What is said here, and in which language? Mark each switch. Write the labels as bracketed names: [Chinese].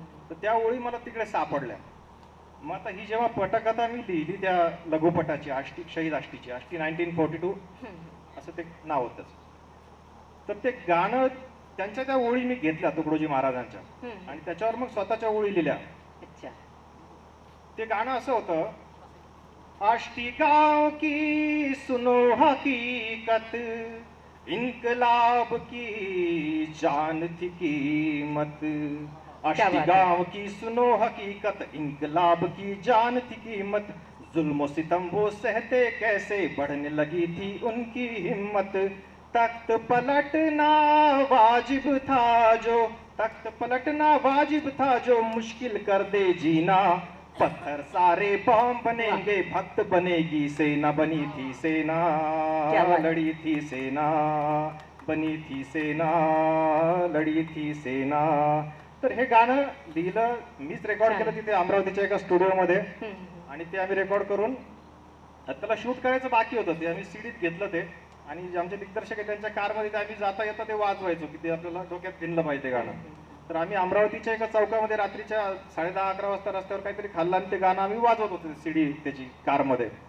[Marathi] तर त्या ओळी मला तिकडे सापडल्या. मग आता ही जेव्हा पटकथा मी लिहिली त्या लघुपटाची आष्टी शहीद आष्टीची, आष्टी 1942 असं ते नाव होतच, तर ते गाणं त्यांच्या त्या ओळी मी घेतल्या तुकडोजी महाराजांच्या, आणि त्याच्यावर मग स्वतःच्या ओळी लिहिल्या. ते गाणं असं होत, [Hindi] आष्टी गाव की सुनो हकीकत, इन्कलाब की जान थी कीमत, आष्टी गाव की सुनो हकीकत, इन्कलाब की जान थी कीमत, जुल्म सितम वो सहते कैसे, बढ़ने लगी थी उनकी हिम्मत, तख्त पलटना वाजिब था जो, तख्त पलटना वाजिब था जो, मुश्किल कर दे जीना, पत्थर सारे बम बनेंगे भक्त बनेगी सेना, बनी थी सेना लड़ी थी सेना, बनी थी सेना लड़ी थी सेना. [Marathi] तर हे गाणं लिहिलं मीच, रेकॉर्ड केलं तिथे अमरावतीच्या एका स्टुडिओ मध्ये, आणि ते आम्ही रेकॉर्ड करून त्याला शूट करायचं बाकी होतं, ते आम्ही सीडीत घेतलं ते, आणि जे आमचे दिग्दर्शक आहे त्यांच्या कारमध्ये ते आम्ही जाता येतं ते वाजवायचो की ते आपल्याला डोक्यात भिनलं पाहिजे गाणं. तर आम्ही अमरावतीच्या एका चौकामध्ये रात्रीच्या 10:30-11 रस्त्यावर काहीतरी खाल्लं आणि ते गाणं आम्ही वाजवत होतो सीडी त्याची कारमध्ये.